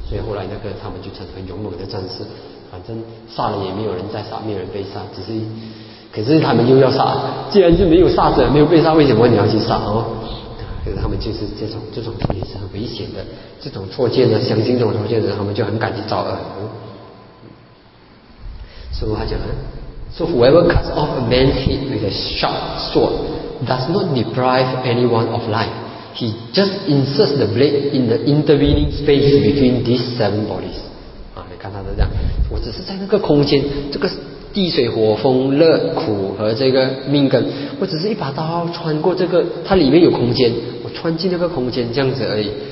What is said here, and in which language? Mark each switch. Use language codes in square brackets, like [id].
[zh] 所以后来那个他们就成为勇猛的战士，反正杀了也没有人再杀，没有人被杀，只是，可是他们又要杀，既然是没有杀者，没有被杀，为什么你要去杀哦？可是他们就是这种也是很危险的，这种错见的，相信这种错见的，他们就很敢去造恶。所以他讲了， [en] So whoever cuts off a man's head with a sharp sword does not deprive anyone of life. He just inserts the blade in the intervening space between these seven bodies. [zh] 啊，你看他这样，我只是在那个空间，这个地水火风热苦和这个命根，我只是一把刀穿过这个，它里面有空间，我穿进那个空间这样子而已。